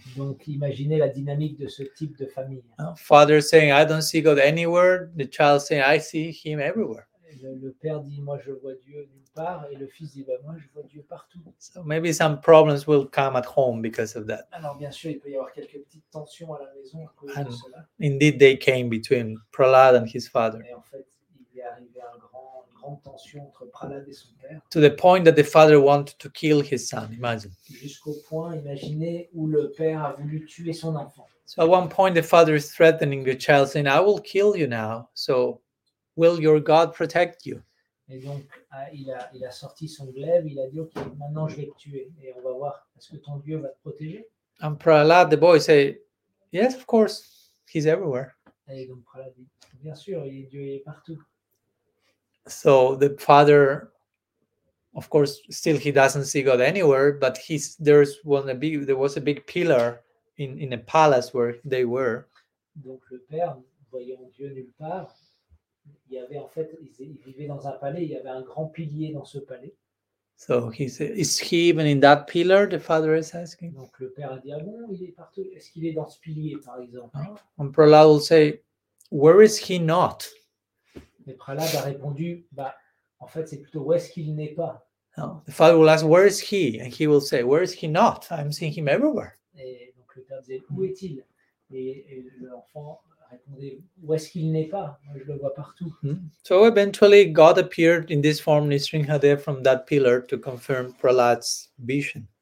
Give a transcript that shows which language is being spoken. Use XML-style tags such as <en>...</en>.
<fr>Donc imaginez la dynamique de ce type de famille.</fr> <en>Father saying I don't see God anywhere, the child saying I see him everywhere.</en> <fr>Le père dit moi je vois Dieu nulle part et le fils dit moi je vois Dieu partout.</fr> <en>So maybe some problems will come at home because of that.</en> <fr>Alors bien sûr il peut y avoir quelques petites tensions à la maison à cause</fr> <en>and</en> <fr>de cela.</fr> <en>Indeed they came between Prahlad and his father.</en> <fr>Et en fait il est arrivé un grande tension entre Prahlad et son père.</fr> <en>To the point that the father wanted to kill his son, imagine.</en> <fr>Jusqu'au point imaginez où le père a voulu tuer son enfant.</fr> <en>So at one point the father is threatening the child saying I will kill you now. So will your God protect you?</en> <fr>Et donc, il a sorti son glaive, il a dit, OK, maintenant je vais te tuer. Et on va voir, est-ce que ton Dieu va te protéger?</fr> <en>And Prahlad, the boy, say, yes, of course, he's everywhere.</en> <fr>Et donc, Prahlad dit, bien sûr, Dieu est partout.</fr> <en>So the father, of course, still he doesn't see God anywhere, but there was a big pillar in a palace where they were.</en> <fr>Donc le père, voyant Dieu nulle part, il y avait en fait, il vivait dans un palais. Il y avait un grand pilier dans ce palais.</fr> <en>So he said, is he even in that pillar? The father is asking.</en> <fr>Donc le père a dit, ah bon, il est partout. Est-ce qu'il est dans ce pilier, par exemple?</fr> <en>And Prahlad will say, where is he not?</en> <fr>Et Prahlad a répondu, bah, en fait, c'est plutôt où est-ce qu'il n'est pas.</fr> <en>No. The father will ask, where is he? And he will say, where is he not? I'm seeing him everywhere.</en> <fr>Et donc le père disait, où est-il? Et l'enfant répondez, où est-ce qu'il n'est pas? Moi, je le vois partout.</fr> <en>So eventually, God appeared in this form, Nisringhadev, from that pillar to confirm Prahlad's vision.</en>